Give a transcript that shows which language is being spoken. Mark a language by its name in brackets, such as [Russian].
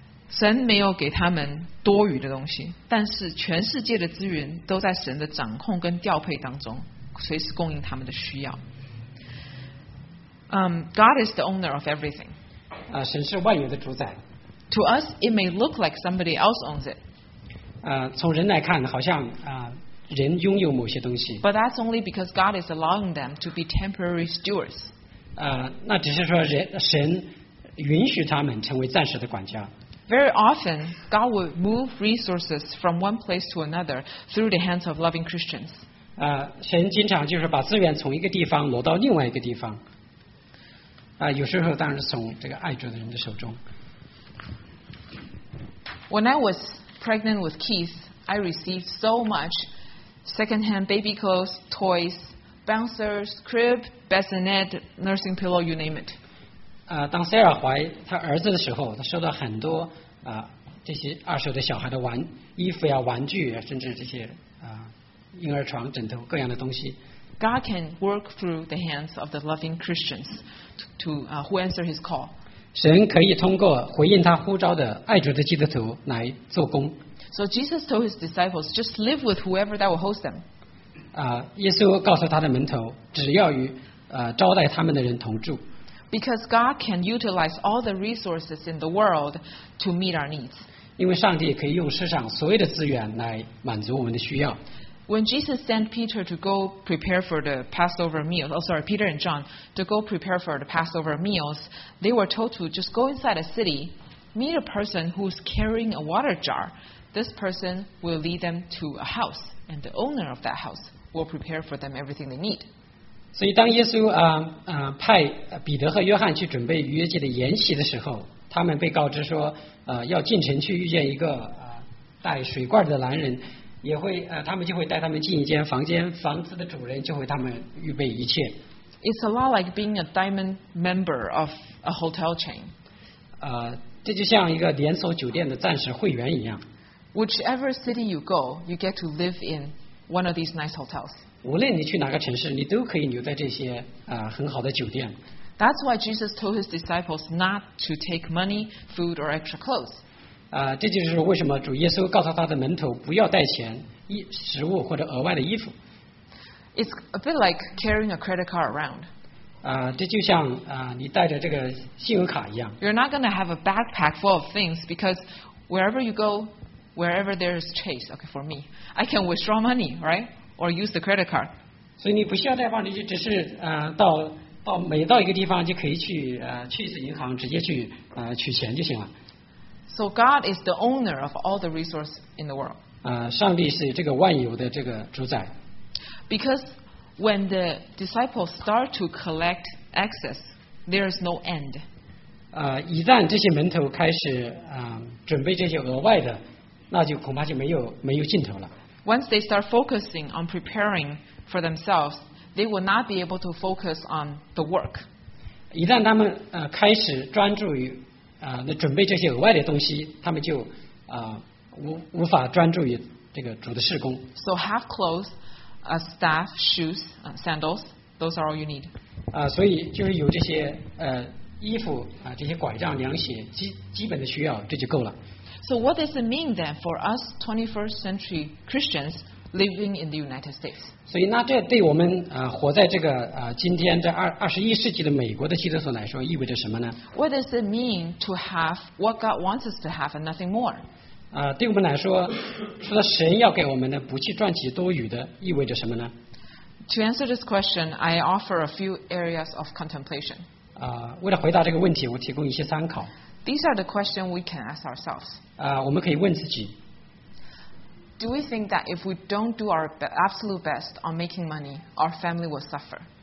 [Chinese] 神没有给他们多余的东西，但是全世界的资源都在神的掌控跟调配当中，随时供应他们的需要。 [English] God is the owner of everything. [Chinese] 神是万有的主宰。 [English] To us, it may look like somebody else owns it. [Chinese] 从人来看，好像人拥有某些东西。 [English] But that's only because God is allowing them to be temporary stewards. [Chinese] 那只是说神允许他们成为暂时的管家。 [English] Very often, God will move resources from one place to another through the hands of loving Christians. [Chinese] 神经常就是把资源从一个地方挪到另外一个地方。有时候当然是从这个爱主的人的手中。 [English] When I was pregnant with Keith, I received so much second-hand baby clothes, toys, bouncers, crib, bassinet, nursing pillow, you name it. [Chinese] 当 Sarah 怀她儿子的时候，她收到很多这些二手的小孩的衣服呀、玩具呀，甚至这些婴儿床、枕头各样的东西。 [English] God can work through the hands of the loving Christians who answer His call. [Chinese] 神可以通过回应他呼召的爱主的基督徒来做工。 [English] So Jesus told His disciples, just live with whoever that will host them. [Chinese] 耶稣告诉他的门徒，只要与招待他们的人同住。 [English] Because God can utilize all the resources in the world to meet our needs. [Chinese] 因为上帝可以用世上所有的资源来满足我们的需要。 [English] When Jesus sent Peter to go prepare for the Passover meal, Peter and John to go prepare for the Passover meals, they were told to just go inside a city, meet a person who's carrying a water jar. This person will lead them to a house, and the owner of that house will prepare for them everything they need. [Chinese] 所以当耶稣派彼得和约翰去准备逾越节的筵席的时候，他们被告知说要进城去遇见一个带水罐的男人。也会他们就会带他们进一间房间，房子的主人就会他们预备一切。 [English] It's a lot like being a diamond member of a hotel chain. [Chinese] 这就像一个连锁酒店的暂时会员一样。 [English] Whichever city you go, you get to live in one of these nice hotels. [Chinese] 无论你去哪个城市，你都可以留在这些很好的酒店。 [English] That's why Jesus told his disciples not to take money, food, or extra clothes. [Chinese] 这就是为什么主耶稣告诉他的门徒不要带钱、食物或者额外的衣服。 [English] It's a bit like carrying a credit card around. [Chinese] 这就像你带着这个信用卡一样。 [English] You're not going to have a backpack full of things because wherever you go, wherever there's chase, okay, for me, I can withdraw money, right? Or use the credit card. [Chinese] 所以你不需要带包，你就只是到每到一个地方就可以去一次银行直接去取钱就行了。 [English] So God is the owner of all the resources in the world. [Chinese] 上帝是这个万有的这个主宰。 [English] Because when the disciples start to collect excess, there is no end. [Chinese] 一旦这些门徒开始准备这些额外的，那就恐怕就没有尽头了。 [English] Once they start focusing on preparing for themselves, they will not be able to focus on the work. [Chinese] 一旦他们开始专注于那准备这些额外的东西，他们就无法专注于这个主的事工。 [English] So have clothes, a staff, shoes, sandals. Those are all you need. [Chinese] 所以就是有这些衣服这些拐杖、凉鞋，基本的需要，这就够了。 [English] So what does it mean then for us 21st century Christians living in the United States? [Chinese] 所以那这对我们活在这个今天这21世纪的美国的基督徒来说意味着什么呢？ [English] What does it mean to have what God wants us to have and nothing more? [Chinese] 对我们来说，除了神要给我们的不去赚取多余的意味着什么呢？ [English] To answer this question, I offer a few areas of contemplation. [Chinese] 为了回答这个问题，我提供一些参考。 [English] These are the questions we can ask ourselves. [Chinese] 我们可以问自己。 [English] Do we think that if we don't do our absolute best on making money, our family will suffer?